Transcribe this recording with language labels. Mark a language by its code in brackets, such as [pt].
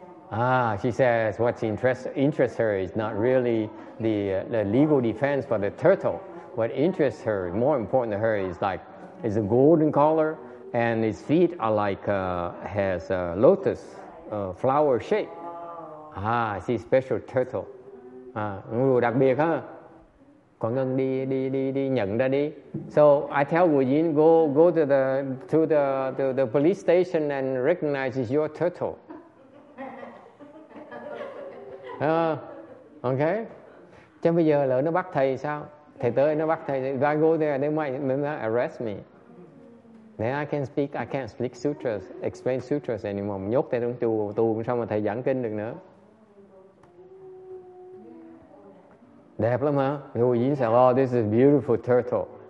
[en] Ah, she says what interests her is not really the legal defense for the turtle. What interests her, more important to her, is like it's a golden color and its feet are like has a lotus flower shape. Ah, see special turtle. [vi] Rùa đặc biệt ha. Quảng Ngân đi đi đi đi nhận ra đi. [en] So I tell Guojin go to the police station and recognize your turtle. Okay. [vi] Chứ bây giờ lỡ nó bắt thầy sao? Thầy tới nó bắt thầy. [en] If I go there, they might arrest me. Then I can't speak sutras, explain sutras anymore. [vi] Nhốt thầy trong tù xong mà thầy giảng kinh được nữa. Đẹp lắm hả? [en] Guojin said, oh, this is a beautiful turtle.